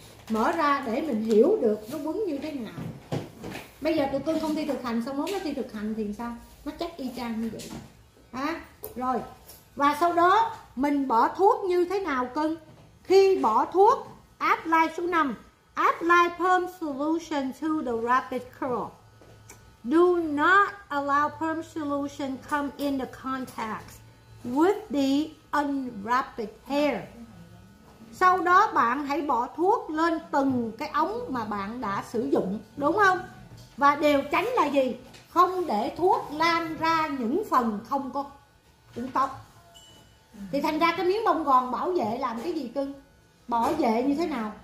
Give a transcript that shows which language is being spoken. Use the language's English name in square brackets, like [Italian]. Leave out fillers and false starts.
[Vietnamese] Mở ra để mình hiểu được nó quấn như thế nào. Bây giờ tụi cưng không thi thực hành, sau mốt nó thi thực hành thì sao? Nó chắc y chang như vậy. À, rồi. Và sau đó mình bỏ thuốc như thế nào cưng? Khi bỏ thuốc, apply số 5. [English] Apply perm solution to the rapid curl. Do not allow perm solution come in the contact with the unwrapped hair. [Vietnamese] Sau đó bạn hãy bỏ thuốc lên từng cái ống mà bạn đã sử dụng, đúng không? Và điều tránh là gì? Không để thuốc lan ra những phần không có uống tóc. Thì thành ra cái miếng bông gòn bảo vệ làm cái gì cưng? Bảo vệ như thế nào?